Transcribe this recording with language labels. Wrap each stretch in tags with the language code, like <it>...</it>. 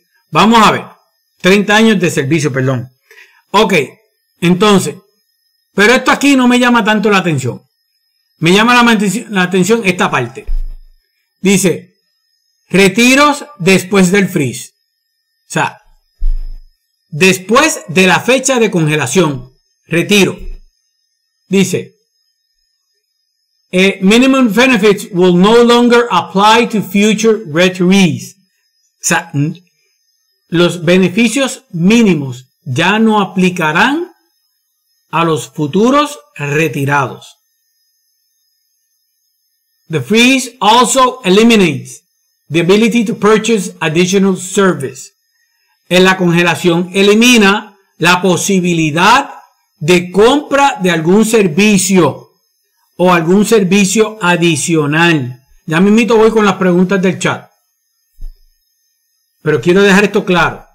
<es>Vamos a ver, 30 años de servicio, perdón. Ok, entonces, pero esto aquí no me llama tanto la atención. Me llama la atención esta parte. Dice, retiros después del freeze. O sea, después de la fecha de congelación, retiro. Dice,</es> <en>minimum benefits will no longer apply to future retirees.</en> <es>O sea, los beneficios mínimos ya no aplicarán a los futuros retirados.</es> <en>The freeze also eliminates the ability to purchase additional service.</en> <es>En la congelación elimina la posibilidad de compra de algún servicio o algún servicio adicional. Ya mismito voy con las preguntas del chat. Pero quiero dejar esto claro.</es>